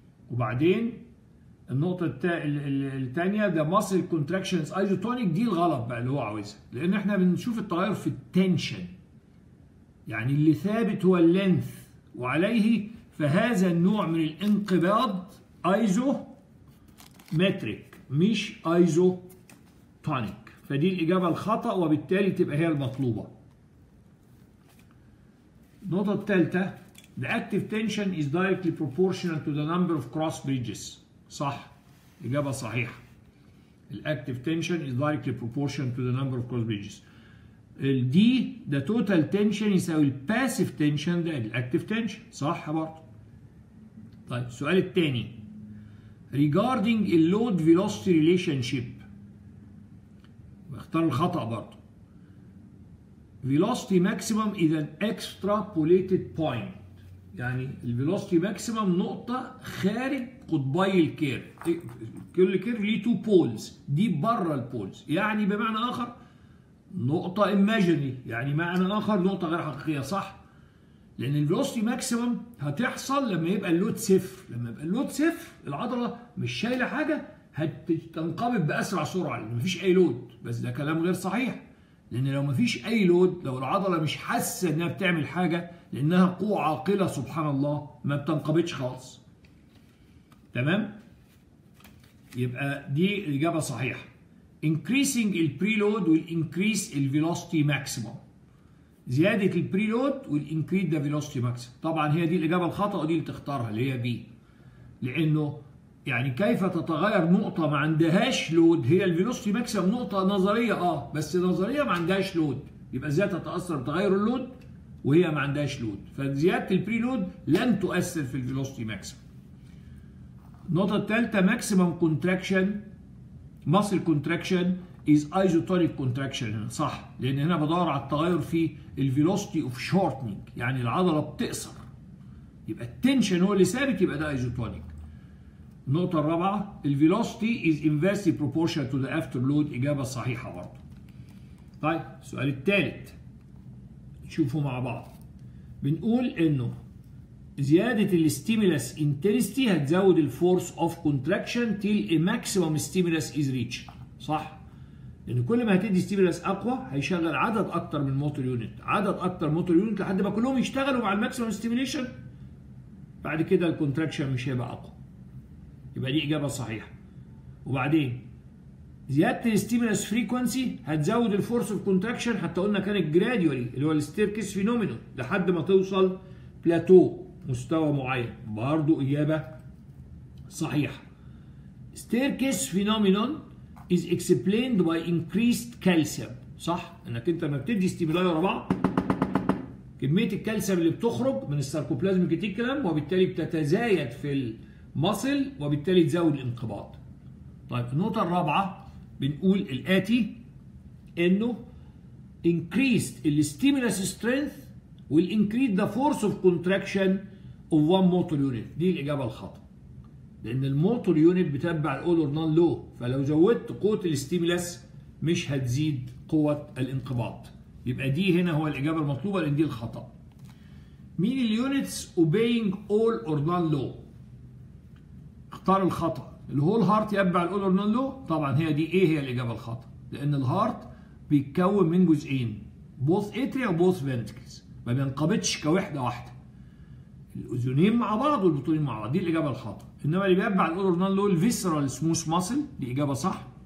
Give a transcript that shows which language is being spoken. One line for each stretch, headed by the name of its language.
Arabic: وبعدين النقطة التانية
English: the muscle contractions isotonic،
Arabic: دي الغلط بقى اللي هو عاوزها، لان احنا بنشوف التغير في التنشن، يعني اللي ثابت هو اللينث وعليه، فهذا النوع من الانقباض isometric مش isotonic، فدي الاجابة الخطأ وبالتالي تبقى هي المطلوبة. النقطة الثالثة
English: the active tension is directly proportional to the number of cross bridges.
Arabic: صح، إجابة صحيحة، ال
English: active tension is directly proportional to the number of cross bridges. ال D the total tension يساوي ال passive tension ده ال active tension.
Arabic: صح برضو. طيب السؤال الثاني
English: regarding the load velocity relationship،
Arabic: اختار الخطأ برضو.
English: velocity maximum is an extrapolated point،
Arabic: يعني ال velocity maximum نقطة خارج قطبي الكيرف، كل كيرف ليه 2 poles، دي بره البولز، يعني بمعنى آخر نقطة imaginary، يعني معنى آخر نقطة غير حقيقية. صح، لأن ال velocity maximum هتحصل لما يبقى اللود صفر، لما يبقى اللود صفر العضلة مش شايلة حاجة، هتنقبض بأسرع سرعة لأن مفيش أي لود. بس ده كلام غير صحيح، لان لو مفيش اي لود، لو العضله مش حاسه انها بتعمل حاجه لانها قوه عاقله سبحان الله، ما بتنقبضش خالص. تمام، يبقى دي الاجابه صحيحه.
English: increasing the preload will increase the velocity maximum،
Arabic: زياده البريلود
English: will increase the velocity maximum.
Arabic: طبعا هي دي الاجابه الخطا، ودي اللي تختارها اللي هي بي، لانه يعني كيف تتغير نقطة ما عندهاش لود؟ هي الفيلوسيتي ماكسيم نقطة نظرية، بس نظرية ما عندهاش لود، يبقى ازاي تتأثر بتغير اللود وهي ما عندهاش لود؟ فزيادة البريلود لن تؤثر في الفيلوسيتي ماكسيم.
English: النقطة الثالثة maximum contraction muscle contraction as isotonic contraction.
Arabic: صح، لان هنا بدور على التغير في الفيلوسيتي اوف شورتنينج، يعني العضلة بتقصر، يبقى التنشن هو اللي ثابت، يبقى ده ايزوتونيك. النقطة الرابعة الـ
English: velocity is inversely proportional to the afterload،
Arabic: إجابة صحيحة برضو. طيب السؤال الثالث نشوفه مع بعض، بنقول إنه زيادة الـ stimulus intensity هتزود الـ
English: force of contraction till a maximum stimulus is reached.
Arabic: صح، لأن كل ما هتدي stimulus أقوى هيشغل عدد أكتر من motor unit، عدد أكتر motor unit لحد ما كلهم يشتغلوا مع الـ maximum stimulation، بعد كده الـ contraction مش هيبقى أقوى، يبقى دي إجابة صحيحة. وبعدين زيادة الستيمولس فريكونسي هتزود الفورس اوف كونتراكشن، حتى قلنا كانت جراديولي اللي هو الستيركس فينومينو، لحد ما توصل بلاتو مستوى معين، برضو إجابة صحيحة.
English: Staircase phenomenon is explained by increased calcium.
Arabic: صح، انك انت لما بتدي ستيمولاي ورا بعض كمية الكالسيوم اللي بتخرج من الساركوبلازميك ريتيكولم وبالتالي بتتزايد في مصل وبالتالي تزود الانقباض. طيب النقطة الرابعة بنقول الآتي، إنه
English: increased the stimulus strength will increase the force of contraction of one motor unit.
Arabic: دي الإجابة الخاطئة، لأن الموتور يونت بتتبع all or none law، فلو زودت قوة الستيمولس مش هتزيد قوة الانقباض، يبقى دي هنا هو الإجابة المطلوبة لأن دي الخطأ.
English: mean the units obeying all or none law،
Arabic: اختار الخطأ، الهول هارت يتبع الاولر نلو. طبعا هي دي ايه هي الاجابه الخطا، لان الهارت بيتكون من جزئين بوث اتريا وبوث فنتريكلز، ما بينقبضش كوحده واحده، الاذنين مع بعض والبطنين مع بعض، دي الاجابه الخطا. انما اللي بيتبع الاولر نلو الفيسرال سموث ماسل، دي اجابه صح.